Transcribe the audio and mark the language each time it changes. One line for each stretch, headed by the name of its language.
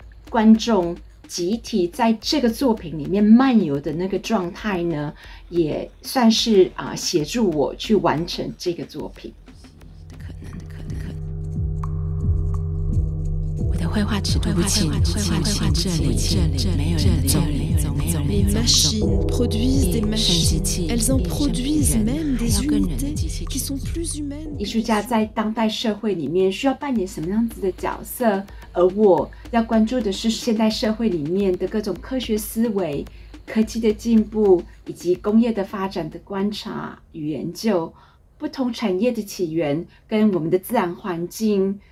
Chinese: 观众集体在这个作品里面漫游的那个状态呢，也算是协助我去完成这个作品。绘画尺度不清，前前这里没有人走，没有人走。
French: Les machines produisent des machines, elles en produisent même des unités qui sont plus humaines.
Chinese: 艺术家在当代社会里面需要扮演什么样子的角色？而我要关注的是现代社会里面的各种科学思维、科技的进步以及工业的发展的观察与研究，不同产业的起源跟我们的自然环境。